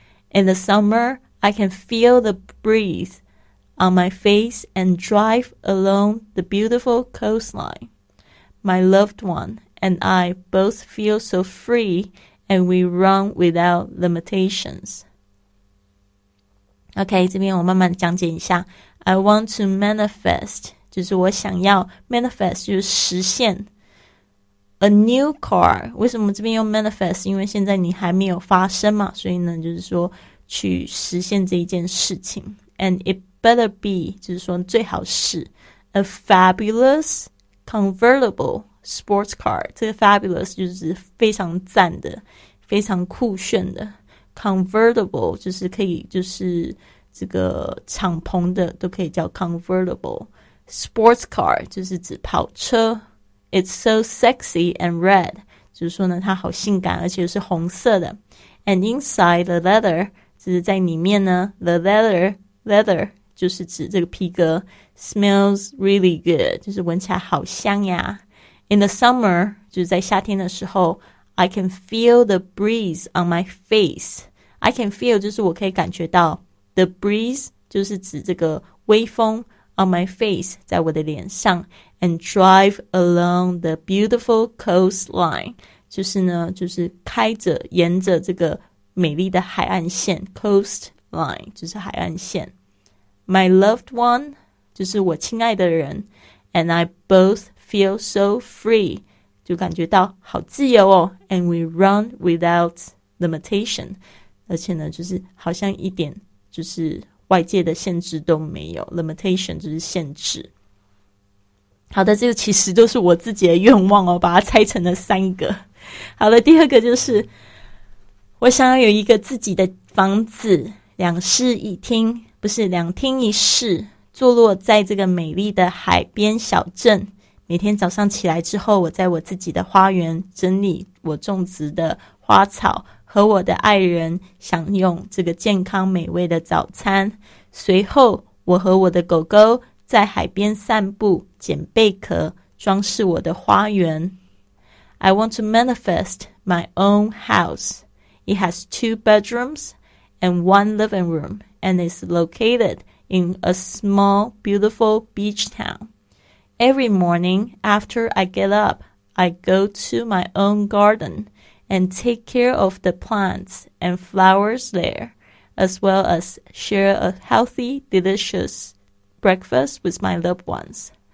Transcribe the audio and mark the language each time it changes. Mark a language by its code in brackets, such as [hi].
[en] In the summer I can feel the breezeOn my face and drive along the beautiful coastline. My loved one and I both feel so free and we run without limitations. [zh] OK， 这边我慢慢讲解一下。 [en] I want to manifest [zh] 就是我想要， manifest 就是实现。 [en] A new car， [zh] 为什么这边用 [en] manifest？ [zh] 因为现在你还没有发生嘛，所以呢就是说去实现这一件事情。 [en] And itBetter be [zh] 就是说最好是 [en] A fabulous convertible sports car， [zh] 这个 fabulous 就是非常赞的，非常酷炫的。 Convertible 就是可以，就是这个敞篷的都可以叫 [en] convertible sports car， [zh] 就是指跑车。 [en] It's so sexy and red， [zh] 就是说呢它好性感，而且是红色的。 [en] And inside the leather [zh] 就是在里面呢， [en] The leather [zh] 就是指这个皮革， [en] smells really good， [zh] 就是闻起来好香呀。 [en] In the summer， [zh] 就是在夏天的时候， [en] I can feel the breeze on my face。 I can feel [zh] 就是我可以感觉到， [en] the breeze [zh] 就是指这个微风， [en] on my face [zh] 在我的脸上。 [en] And drive along the beautiful coastline， [zh] 就是呢就是开着沿着这个美丽的海岸线， coastline line, 就是海岸线。 [en] My loved one, [zh] 就是我亲爱的人。 [en] And I both feel so free, [zh] 就感觉到好自由哦。 [en] And we run without limitation, [zh] 而且呢，就是好像一点就是外界的限制都没有。 Limitation 就是限制。好的，这个其实都是我自己的愿望哦，把它拆成了三个。好的，第二个就是我想要有一个自己的房子，两室一厅，不是两厅一室，坐落在这个美丽的海边小镇。每天早上起来之后，我在我自己的花园整理我种植的花草，和我的爱人享用这个健康美味的早餐。随后我和我的狗狗在海边散步，捡贝壳装饰我的花园。 [en] I want to manifest my own house. It has two bedrooms and one living room and is located in a small beautiful beach town. Every morning after I get up, I go to my own garden and take care of the plants and flowers there, as well as share a healthy, deliciousbreakfast with my loved ones.